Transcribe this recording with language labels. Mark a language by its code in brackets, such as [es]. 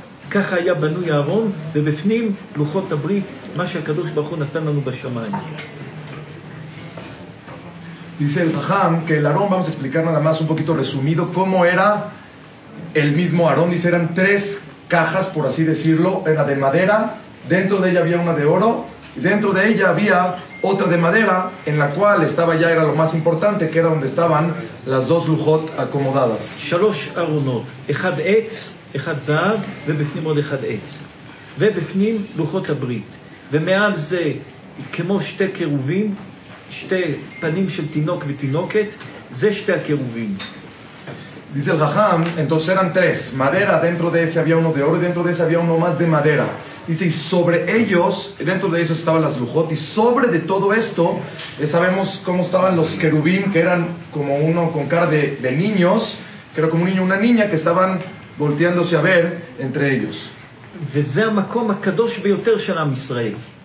[he] ככה היה בנוי הארון, ובפנים לוחות הברית, מה שהקדוש ברוך הוא נתן לנו בשמיים. [es] Dice el Jajam que el Arón, vamos a explicar nada más un poquito resumido, cómo era el mismo Arón. Dice, eran tres cajas, por así decirlo, era de madera, dentro de ella había una de oro, y dentro de ella había otra de madera, en la cual estaba ya, era lo más importante, que era donde estaban las dos lujot acomodadas. [he] Shalosh arunot, echad etz, echad zahav, ובפנים עוד echad etz. ובפנים לוחות הברית. ומעל זה, כמו שתי קירובים, שתי פנים של תינוק ותינוקת, זה שתי הקירובים. [es] Dice el Jajam, entonces eran tres. Madera, dentro de ese había uno de oro, y dentro de ese había uno más de madera. Dice, y sobre ellos, dentro de ellos estaban las lujot, y sobre de todo esto, sabemos cómo estaban los querubín, que eran como uno con cara de niños, que era como un niño y una niña, que estaban volteándose a ver entre ellos. [he] וזה המקום הקדוש ביותר של עם ישראל.